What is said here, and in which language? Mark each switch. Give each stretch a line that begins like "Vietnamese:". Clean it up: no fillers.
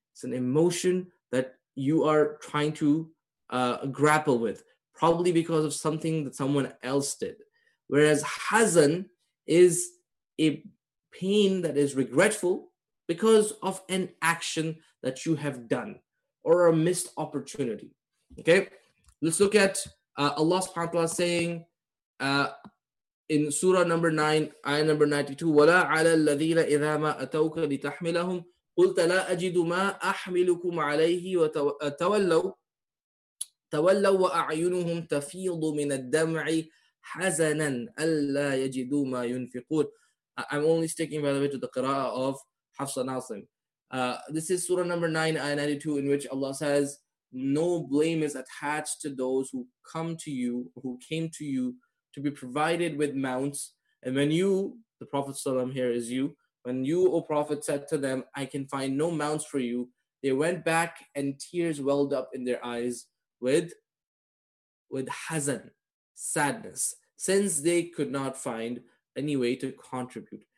English: It's an emotion that you are trying to grapple with, probably because of something that someone else did. Whereas hazan is a pain that is regretful because of an action that you have done or a missed opportunity. Okay, let's look at Allah subhanahu wa ta'ala saying in surah number 9, ayah number 92,
Arabic: وَلَا عَلَى الَّذِينَ إِذَا مَا أَتَوْكَ لِتَحْمِلَهُمْ قُلْتَ لَا أَجِدُ مَا أَحْمِلُكُمْ عَلَيْهِ وَتَوَلَّوْا وَأَعْيُنُهُمْ تَفِيضُ مِنَ الدَّمْعِ حَزَنًا أَلَّا يَجِدُوا مَا يُنْفِقُونَ.
English: I'm only sticking, by the way, to the qira'ah of Hafsa Nasim. This is surah number 9, ayah 92, in which Allah says, no blame is attached to those who come to you, who came to you to be provided with mounts. And when you, the Prophet ﷺ here is you, when you, O Prophet, said to them, I can find no mounts for you, they went back and tears welled up in their eyes with hazan, sadness, since they could not find any way to contribute.